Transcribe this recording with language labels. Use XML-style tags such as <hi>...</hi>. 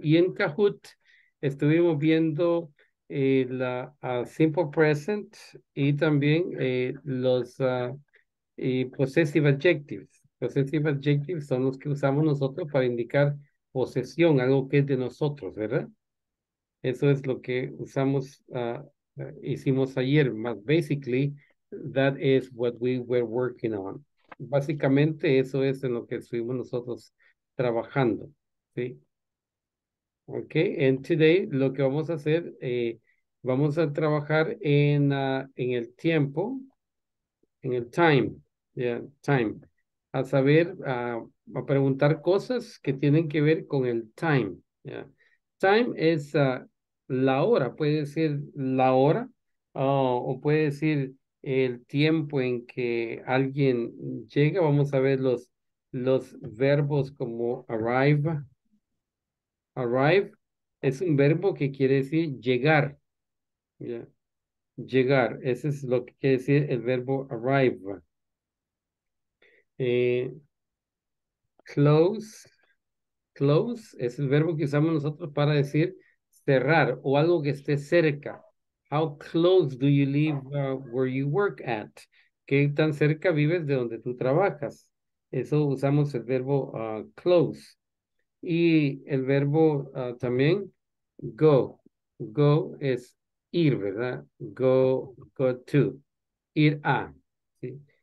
<es>Y en Kahoot estuvimos viendo el simple present y también los possessive adjectives. Possessive adjectives son los que usamos nosotros para indicar posesión, algo que es de nosotros, ¿verdad? Eso es lo que usamos, hicimos ayer.</es> <en>But basically, that is what we were working on.</en> <es>Básicamente, eso es en lo que estuvimos nosotros trabajando, ¿sí?</es> <en>Okay, and today,</en> <es>lo que vamos a hacer, vamos a trabajar en el tiempo, en el time, yeah, time. A saber, a preguntar cosas que tienen que ver con el time. Yeah. Time es la hora, puede decir la hora, o puede decir el tiempo en que alguien llega. Vamos a ver los verbos como arrive. Arrive es un verbo que quiere decir llegar. Yeah. Llegar, ese es lo que quiere decir el verbo arrive. Close, close es el verbo que usamos nosotros para decir cerrar o algo que esté cerca.</es> <en>How close do you live where you work at?</en> <es>¿Qué tan cerca vives de donde tú trabajas? Eso usamos el verbo close. Y el verbo también go. Go es ir, ¿verdad? Go, go to. Ir a. ¿Sí?</es>